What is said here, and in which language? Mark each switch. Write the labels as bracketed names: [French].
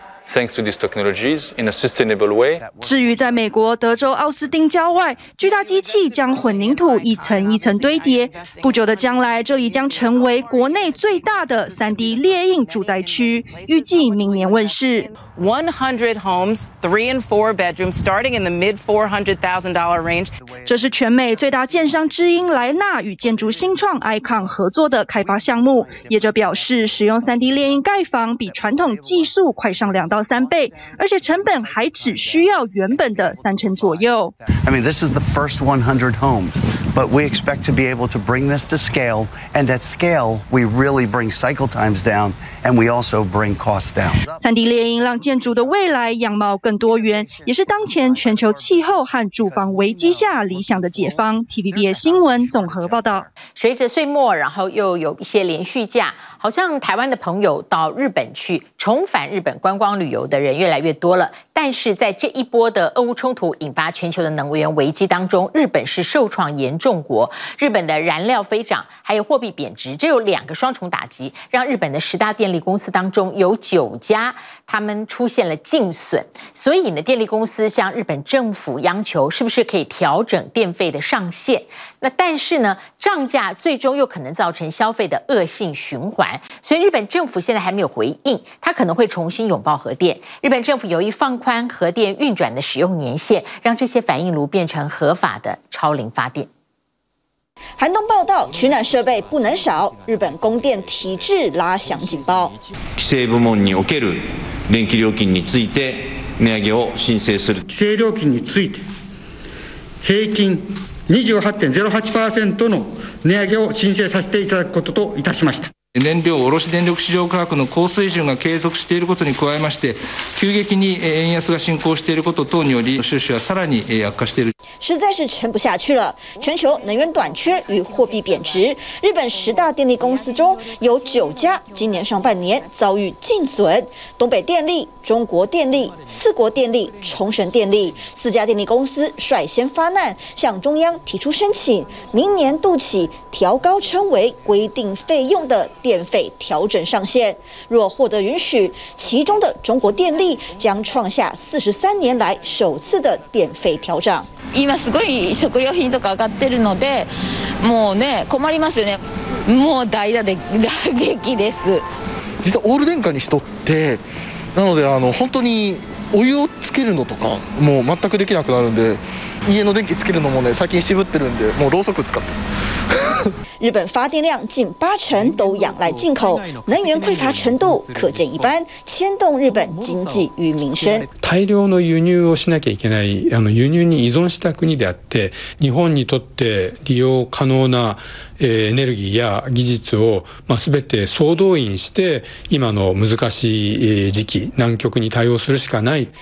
[English] Thanks to these technologies in a sustainable way. [Chinese] 至于在美国德州奥斯汀郊外，巨大机器将混凝土一层一层堆叠。不久的将来，这里将成为国内最大的 3D 列印住宅区，预计明年问世。 [English] 100 homes, 3 and 4 bedrooms, starting in the mid $400,000 range. [Chinese] 这是全美最大建商之音莱纳与建筑新创 Icon 合作的开发项目。业者表示，使用 3D 列印盖房比传统技术快上2到3倍，而且成本还只需要原本的3成左右。 [English] I mean, this is the first 100 homes. But we expect to be able to bring this to scale. And at scale, we really bring cycle times down and we also bring costs down. [Chinese] 3D 猎鹰让建筑的未来样貌更多元，也是当前全球气候和住房危机下理想的解方。 TVBS 新闻综合报道。随着岁末，然后又有一些连续假，好像台湾的朋友到日本去重返日本观光旅游的人越来越多了。但是在这一波的俄乌冲突引发全球的能源危机当中，日本是受创严重国，日本的燃料飞涨，还有货币贬值，这有两个双重打击，让日本的十大电力公司当中有九家他们出现了净损。所以呢，电力公司向日本政府央求是不是可以调整电费的上限。那但是呢，涨价最终又可能造成消费的恶性循环，所以日本政府现在还没有回应，他可能会重新拥抱核电。日本政府由于放宽核电运转的使用年限，让这些反应炉变成合法的超龄发电。寒冬报道，取暖设备不能少，日本供电体制拉响警报。 [Japanese] 規制部門における電気料金について値上げを申請する。規制料金について平均 28.08% の値上げを申請させていただくことといたしました。燃料卸電力市場価格の高水準が継続していることに加えまして、急激に円安が進行していること等により、収支はさらに悪化している。 [Chinese] 实在是撑不下去了。全球能源短缺与货币贬值，日本十大电力公司中有九家今年上半年遭遇净损。东北电力、中国电力、四国电力、冲绳电力四家电力公司率先发难，向中央提出申请，明年度起调高称为规定费用的电费调整上限。若获得允许，其中的中国电力将创下43年来首次的电费调涨。 [Japanese] 今すごい食料品とか上がってるので、もうね、困りますよね。もう大打撃です。実はオール電化にしとって、なので本当にお湯をつけるのとかもう全くできなくなるんで、家の電気つけるのもね、最近渋ってるんで、もうろうそく使って [Chinese] 日本发电量近80%都仰赖进口，能源匮乏程度可见一斑，牵动日本经济与民生。 [Japanese] 大量の輸入をしなきゃいけない、輸入に依存した国であって、日本にとって利用可能なエネルギーや技術を、全て総動員して今の難しい時期、難局に対応するしかない。